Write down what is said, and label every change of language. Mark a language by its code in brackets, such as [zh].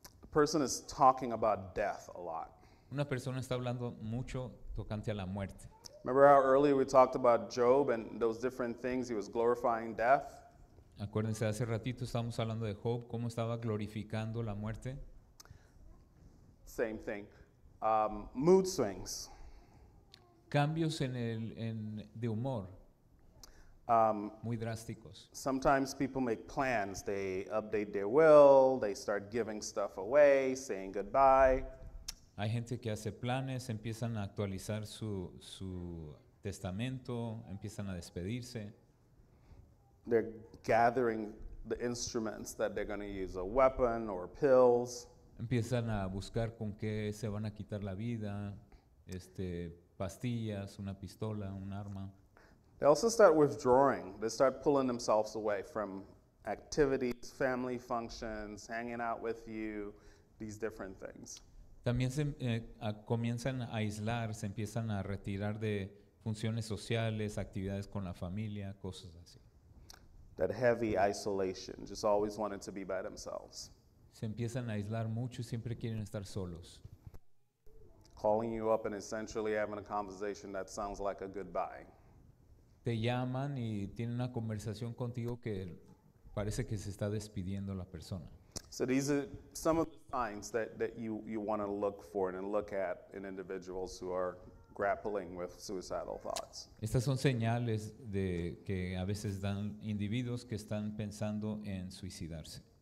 [en] A person is talking about death a lot. [es] Una persona está hablando mucho tocante a la muerte. [en] Remember how earlier we talked about Job and those different things, he was glorifying death? [es] Acuérdense, hace ratito estábamos hablando de Job, cómo estaba glorificando la muerte. [en] Same thing. Mood swings. [es] Cambios en el de humor. Muy drásticos. [en] Sometimes people make plans. They update their will. They start giving stuff away, saying goodbye. [es] Hay gente que hace planes, empiezan a actualizar su testamento, empiezan a despedirse. [en] They're gathering the instruments that they're going to use, a weapon or pills. [es] Empiezan a buscar con qué se van a quitar la vida, pastillas, una pistola, un arma. [en] They also start withdrawing. They start pulling themselves away from activities, family functions, hanging out with you, these different things. [es] También se comienzan a aislar, se empiezan a retirar de funciones sociales, actividades con la familia, cosas así. [en] That heavy isolation, just always wanting to be by themselves. [es] Se empiezan a aislar mucho y siempre quieren estar solos. [en] Calling you up and essentially having a conversation that sounds like a goodbye. [es] Te llaman y tienen una conversación contigo que parece que se está despidiendo la persona. [en] So these are some of the signs that you want to look for and look at in individuals who are grappling with suicidal thoughts. [es] Estas son señales de que a veces dan individuos que están pensando en suicidarse.